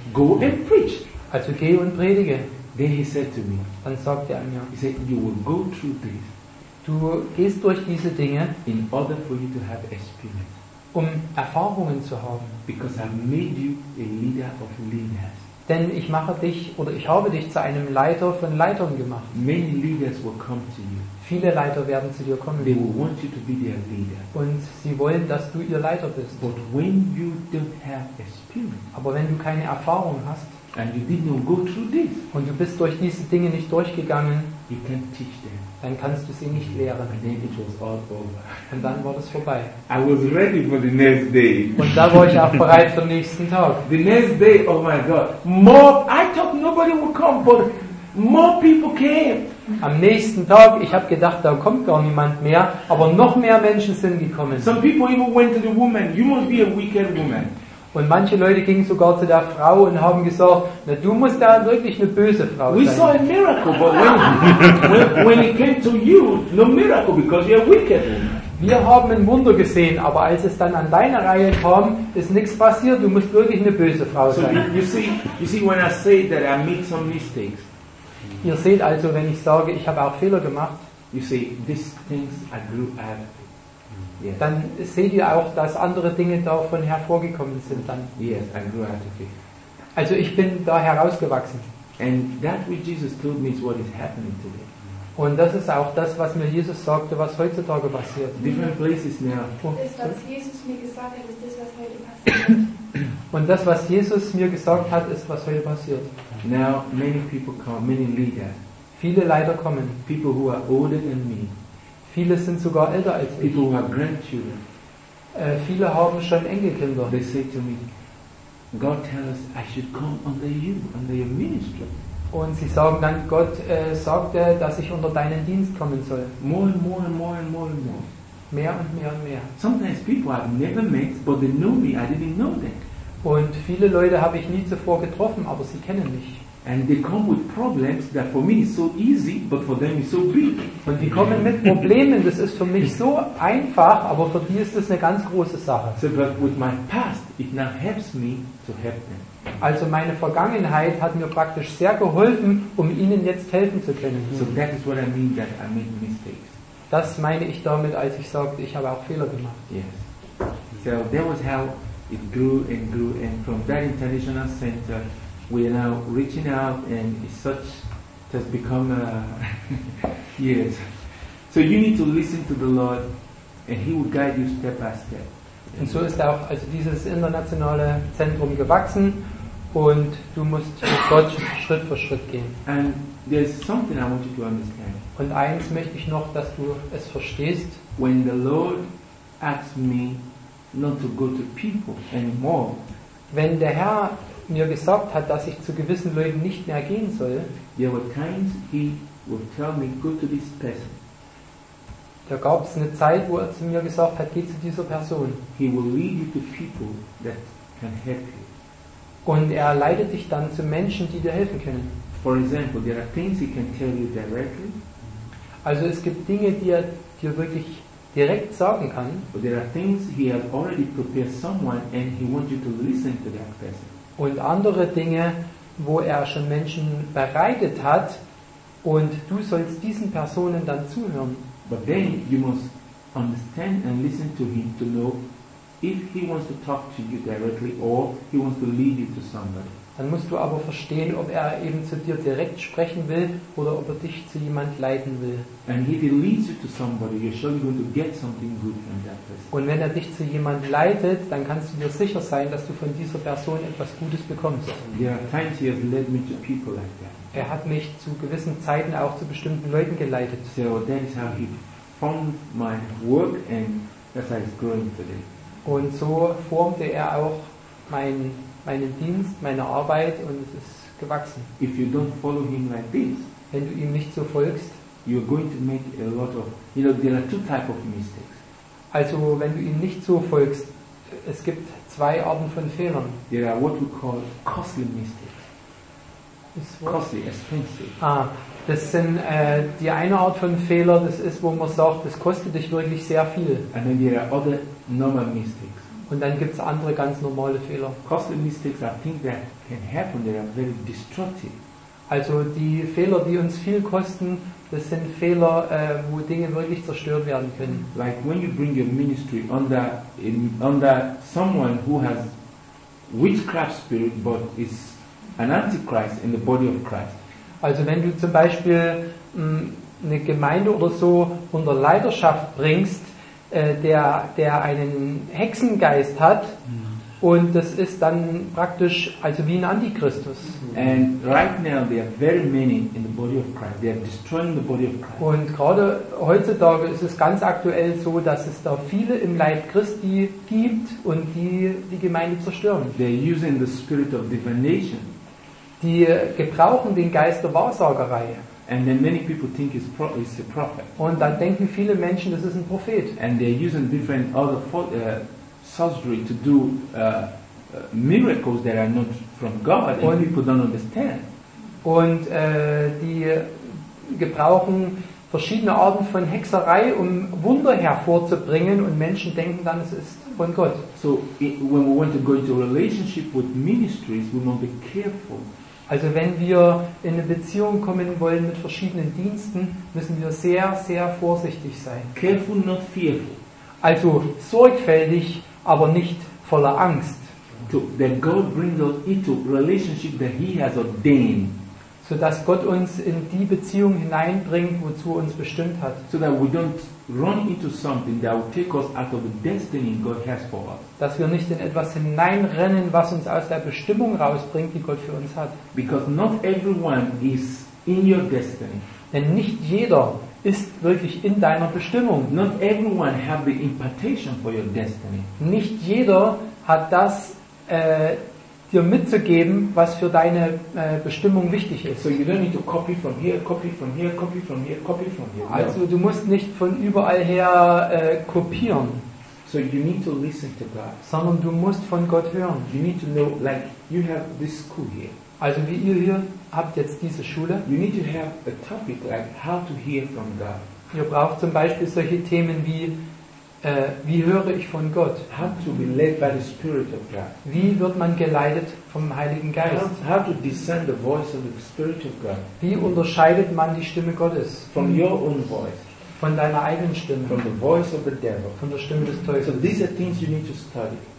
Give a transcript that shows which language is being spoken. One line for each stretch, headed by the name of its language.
English: Go and preach.
German: Also geh und predige.
English: Then he said to me.
German: Dann sagt er mir.
English: He said, you will go through this.
German: Du gehst durch diese Dinge.
English: In order for you to have experience.
German: Um Erfahrungen zu haben.
English: Because I made you a leader of leaders.
German: Denn ich mache dich oder ich habe dich zu einem Leiter von Leitern gemacht.
English: Many leaders will come to you.
German: Viele Leiter werden zu dir kommen.
English: They will want you to be their leader.
German: Und sie wollen, dass du ihr Leiter bist.
English: But when you don't have experience,
German: aber wenn du keine Erfahrung hast,
English: and you didn't go through this,
German: und du bist durch diese Dinge nicht durchgegangen,
English: you can't teach them.
German: Dann kannst du sie nicht lehren.
English: And then it was all over.
German: Und dann war das vorbei.
English: I was ready for the next day.
German: Und da war ich auch bereit für den nächsten Tag.
English: The next day, oh my God, more, I thought nobody would come, but more people came.
German: Am nächsten Tag, ich habe gedacht, da kommt gar niemand mehr, aber noch mehr Menschen sind gekommen.
English: Some people even went to the woman. You must be a wicked woman.
German: Und manche Leute gingen sogar zu der Frau und haben gesagt, na du musst da wirklich eine böse Frau sein.
English: We saw a miracle, but when it came to you, no miracle because you're wicked.
German: Wir haben ein Wunder gesehen, aber als es dann an deine Reihe kam, ist nichts passiert. Du musst wirklich eine böse Frau sein.
English: So you see, when I say that I made some mistakes.
German: Ihr seht also, wenn ich sage, ich habe auch Fehler gemacht.
English: You see, these things I grew out. Yes.
German: Dann seht ihr auch, dass andere Dinge davon hervorgekommen sind. Dann.
English: Yes, I grew out of it.
German: Also ich bin da herausgewachsen.
English: And that which Jesus told me is what is happening today.
German: Und das ist auch das, was mir Jesus sagte, was heutzutage passiert.
English: Different places now.
German: Das, was Jesus mir gesagt hat, ist das, was heute passiert. Und das, was Jesus mir gesagt hat, ist, was heute passiert.
English: Now many people come, many leaders.
German: Viele Leiter kommen.
English: People who are older than me.
German: Viele sind sogar älter als ich.
English: People who are grandchildren.
German: Viele haben schon Enkelkinder.
English: They say to me, God tells us I should come under your ministry.
German: Und sie sagen dann, Gott sagte, dass ich unter deinen Dienst kommen soll.
English: More and more and more and more and more.
German: Mehr und mehr und mehr.
English: Sometimes people I've never met, but they know me. I didn't know them.
German: Und viele Leute habe ich nie zuvor getroffen, aber sie kennen mich.
English: And they come with problems that for me is so easy, but for them is so big.
German: Und die kommen mit Problemen, das ist für mich so einfach, aber für die ist das eine ganz große Sache.
English: So, but with my past, it now helps me to help them.
German: Also meine Vergangenheit hat mir praktisch sehr geholfen, um ihnen jetzt helfen zu können.
English: So that is what I mean that I made mistakes.
German: Das meine ich damit, als ich sagte, ich habe auch Fehler gemacht.
English: Yes. So that was how it grew and grew, and from that international center. We are now reaching out, and it's such, it has become a yes. So you need to listen to the Lord, and He will guide you step by step.
German: Und so ist auch also dieses internationale Zentrum gewachsen, und du musst mit Gott Schritt für Schritt gehen.
English: And there's something I want you to understand.
German: Und eins möchte ich noch, dass du es verstehst.
English: When the Lord asks me not to go to people anymore.
German: Wenn der Herr mir gesagt hat, dass ich zu gewissen Leuten nicht mehr gehen soll.
English: There were times he would tell me, go to this person.
German: Da gab es eine Zeit, wo er zu mir gesagt hat, geh zu dieser Person.
English: He will lead you to people that can help you.
German: Und er leitet dich dann zu Menschen, die dir helfen können.
English: For example, there are things he can tell you directly.
German: Also es gibt Dinge, die er dir wirklich direkt sagen kann.
English: But there are things he has already prepared someone and he wants you to listen to that person.
German: Und andere Dinge, wo er schon Menschen bereitet hat, und du sollst diesen Personen dann zuhören.
English: But then you must understand and listen to him to know if he wants to talk to you directly or he wants to lead you to somebody.
German: Dann musst du aber verstehen, ob er eben zu dir direkt sprechen will oder ob er dich zu jemand leiten will.
English: And if he leads you to somebody, you're surely going to get something good from that person.
German: Und wenn er dich zu jemand leitet, dann kannst du dir sicher sein, dass du von dieser Person etwas Gutes bekommst.
English: There are times he has led me to people like that.
German: Er hat mich zu gewissen Zeiten auch zu bestimmten Leuten geleitet.
English: So that is how he formed my work and that's how it's growing today.
German: Und so formte er auch meinen Dienst, meine Arbeit, und es ist gewachsen.
English: If you don't follow him like this,
German: wenn du ihm nicht so folgst,
English: you are going to make a lot of, you know, there are two types of mistakes.
German: Also, wenn du ihm nicht so folgst, es gibt zwei Arten von Fehlern.
English: There are what we call costly mistakes. Costly, expensive.
German: Ah, das sind die eine Art von Fehler, das ist, wo man sagt, das kostet dich wirklich sehr viel.
English: And then there are other normal mistakes.
German: Und dann gibt es andere ganz normale Fehler.
English: Costly mistakes are things that can happen, they are very destructive.
German: Also die Fehler, die uns viel kosten, das sind Fehler, wo Dinge wirklich zerstört werden können.
English: Like when you bring your ministry under someone who has witchcraft spirit but is an antichrist in the body of Christ.
German: Also wenn du zum Beispiel eine Gemeinde oder so unter Leiterschaft bringst, der einen Hexengeist hat, und das ist dann praktisch also wie ein Antichristus.
English: And right now there are very many in the body of Christ. They are destroying the body of Christ.
German: Und gerade heutzutage ist es ganz aktuell so, dass es da viele im Leib Christi gibt und die Gemeinde zerstören.
English: They are using the spirit of divination.
German: Die gebrauchen den Geist der Wahrsagerei.
English: And then many people think it's a prophet.
German: Und dann denken viele Menschen, das ist ein Prophet.
English: And they are using different other sorcery to do miracles that are not from God, and
German: und
English: people don't understand.
German: Und die gebrauchen verschiedene Arten von Hexerei, um Wunder hervorzubringen, und Menschen denken dann, es ist von Gott.
English: So when we want to go into a relationship with ministries, we must be careful.
German: Also wenn wir in eine Beziehung kommen wollen mit verschiedenen Diensten, müssen wir sehr, sehr vorsichtig sein.
English: Careful, not fearful.
German: Also sorgfältig, aber nicht voller Angst.
English: So that God brings us into relationship that He has ordained.
German: So dass Gott uns in die Beziehung hineinbringt, wozu er uns bestimmt hat.
English: So that we don't run into something that will take us out of the destiny God has for us.
German: Dass wir nicht in etwas hineinrennen, was uns aus der Bestimmung rausbringt, die Gott für uns hat.
English: Because not everyone is in your destiny.
German: Denn nicht jeder ist wirklich in deiner Bestimmung.
English: Not everyone have the impartation for your destiny.
German: Nicht jeder hat das dir mitzugeben, was für deine Bestimmung wichtig ist.
English: So you don't need to copy from here, copy from here, copy from here, copy from here.
German: Also du musst nicht von überall her kopieren.
English: So you need to listen to God.
German: Sondern du musst von Gott hören.
English: You need to know, like you have this school here.
German: Also wie ihr hier habt jetzt diese Schule.
English: You need to have a topic like how to hear from God.
German: Ihr braucht zum Beispiel solche Themen wie wie höre ich von Gott?
English: How to be led by the Spirit of God.
German: Wie wird man geleitet vom Heiligen Geist?
English: How to discern the voice of the Spirit of God.
German: Wie unterscheidet man die Stimme Gottes?
English: From your own voice.
German: Von deiner eigenen Stimme.
English: From the voice of the devil.
German: Von der Stimme des Teufels.
English: So these are things you need to study.